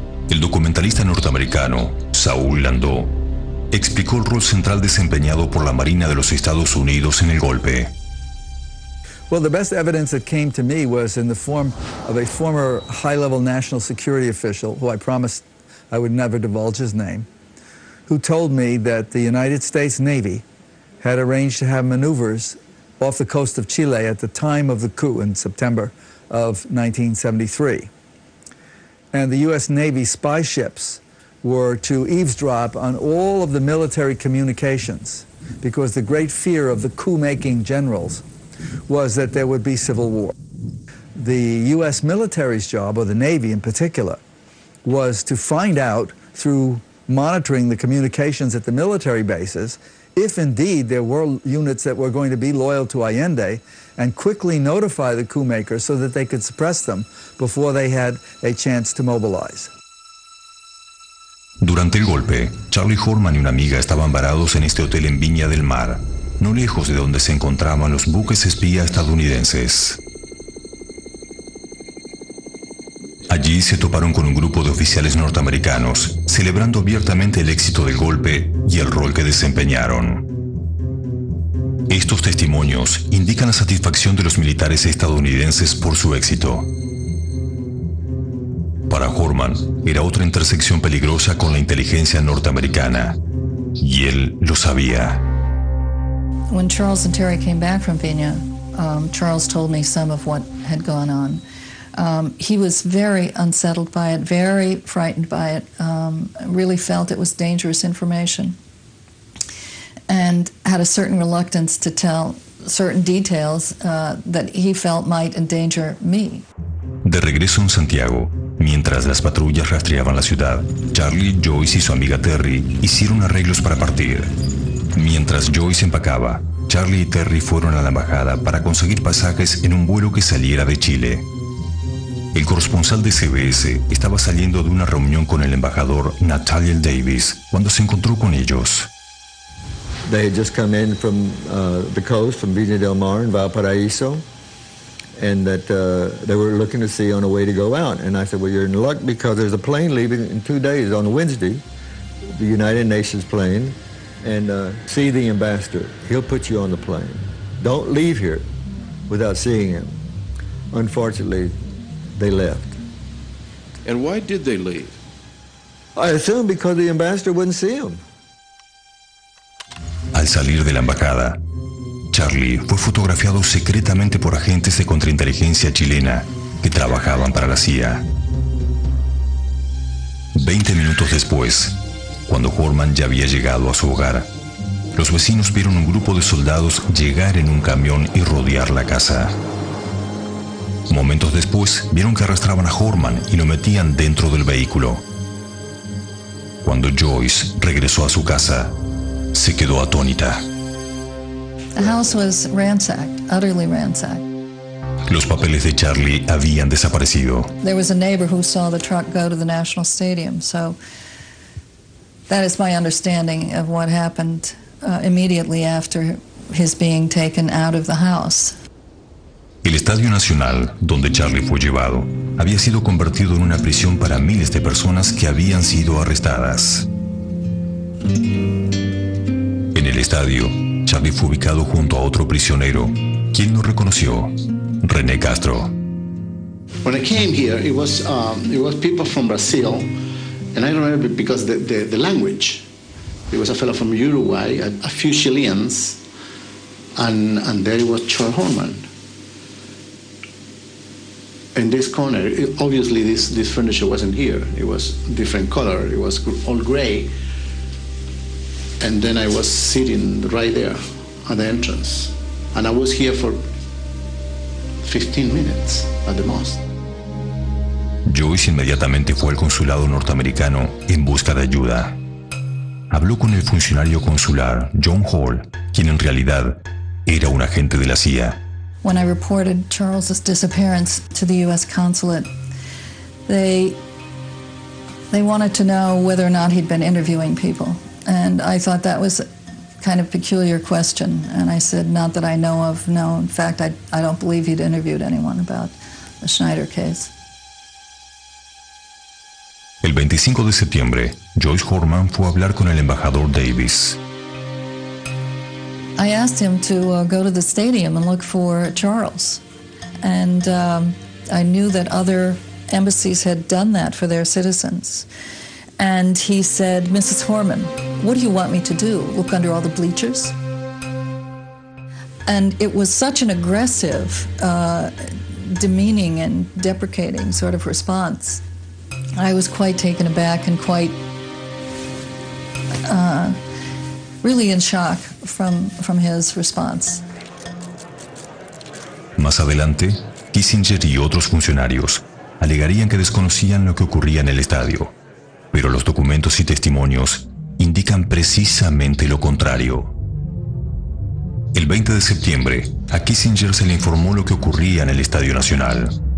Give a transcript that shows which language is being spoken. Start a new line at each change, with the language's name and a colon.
Spanish: El documentalista norteamericano Saul Landó explicó el rol central desempeñado por la Marina de los Estados Unidos en el golpe.
English: Well, the best evidence that came to me was in the form of a former high-level national security official who I promised I would never divulge his name, who told me that the United States Navy had arranged to have maneuvers off the coast of Chile at the time of the coup in September of 1973. And the U.S. Navy spy ships were to eavesdrop on all of the military communications because the great fear of the coup-making generals was that there would be civil war. The U.S. military's job, or the Navy in particular, was to find out through monitoring the communications at the military bases, if indeed there were units that were going to be loyal to Allende, and quickly notify the coup makers so that they could suppress them before they had a chance to mobilize.
Spanish: Durante el golpe, Charlie Horman y una amiga estaban varados en este hotel en Viña del Mar, no lejos de donde se encontraban los buques espía estadounidenses. Allí se toparon con un grupo de oficiales norteamericanos, celebrando abiertamente el éxito del golpe y el rol que desempeñaron. Estos testimonios indican la satisfacción de los militares estadounidenses por su éxito. Para Horman, era otra intersección peligrosa con la inteligencia norteamericana, y él lo sabía.
English: When Charles and Terry came back from Vienna, Charles told me some of what had gone on. He was very unsettled by it, very frightened by it, really felt it was dangerous information, and had a certain reluctance to tell certain details that he felt might endanger me.
Spanish: De regreso en Santiago, mientras las patrullas rastreaban la ciudad, Charlie, Joyce y su amiga Terry hicieron arreglos para partir. Mientras Joyce empacaba, Charlie y Terry fueron a la embajada para conseguir pasajes en un vuelo que saliera de Chile. El corresponsal de CBS estaba saliendo de una reunión con el embajador Nathaniel Davis cuando se encontró con ellos.
English: They had just come in from the coast, from Viña del Mar and Valparaíso, and that they were looking to see on a way to go out. And I said, well, you're in luck because there's a plane leaving in 2 days on Wednesday, the United Nations plane, and see the ambassador. He'll put you on the plane. Don't leave here without seeing him. Unfortunately, they left. And why did they leave? I assume because the ambassador wouldn't see him.
Spanish: Al salir de la embajada, Charlie fue fotografiado secretamente por agentes de contrainteligencia chilena que trabajaban para la CIA. 20 minutos después, cuando Horman ya había llegado a su hogar, los vecinos vieron un grupo de soldados llegar en un camión y rodear la casa. Momentos después, vieron que arrastraban a Horman y lo metían dentro del vehículo. Cuando Joyce regresó a su casa, se quedó atónita.
English: The house was ransacked, utterly ransacked.
Spanish: Los papeles de Charlie habían desaparecido.
English: There was a neighbor who saw the truck go to the National Stadium, so that is my understanding of what happened immediately after his being taken out of the house.
Spanish: El Estadio Nacional, donde Charlie fue llevado, había sido convertido en una prisión para miles de personas que habían sido arrestadas. En el estadio, Charlie fue ubicado junto a otro prisionero, quien lo reconoció, René Castro.
English: When I came here, it was people from Brazil, and I don't remember because the language. It was a fellow from Uruguay, a few Chileans, and there was Charles Horman. In this corner, obviously this furniture wasn't here. It was different color. It was all gray. And then I was sitting right there at the entrance. And I was here for 15 minutes at the most.
Spanish: Joyce inmediatamente fue al consulado norteamericano en busca de ayuda. Habló con el funcionario consular, John Hall, quien en realidad era un agente de la CIA.
English: When I reported Charles's disappearance to the U.S. consulate, they wanted to know whether or not he'd been interviewing people. And I thought that was a kind of peculiar question. And I said, not that I know of, no. In fact, I don't believe he'd interviewed anyone about the Schneider case.
Spanish: El 25 de septiembre, Joyce Horman fue a hablar con el embajador Davis.
English: I asked him to go to the stadium and look for Charles. And I knew that other embassies had done that for their citizens. And he said, Mrs. Horman, what do you want me to do? Look under all the bleachers? And it was such an aggressive, demeaning and deprecating sort of response. I was quite taken aback and quite really in shock from his response.
Spanish: Más adelante, Kissinger y otros funcionarios alegarían que desconocían lo que ocurría en el estadio. pero los documentos y testimonios indican precisamente lo contrario. El 20 de septiembre, a Kissinger se le informó lo que ocurría en el Estadio Nacional.